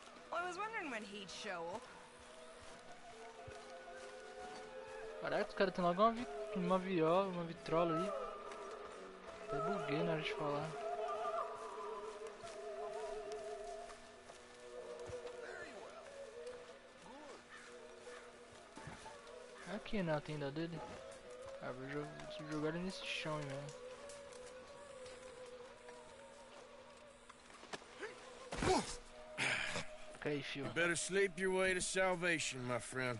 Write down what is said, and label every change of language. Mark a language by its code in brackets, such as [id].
[en] Well, I was wondering when he'd show up. [pt] Caraca, os caras tem logo uma vitrola ali. Até buguei na hora de falar. Aqui na tenda dele. Ah, vou jogar ele nesse chão aí mesmo. [en] Okay, you better sleep your way to salvation, my friend.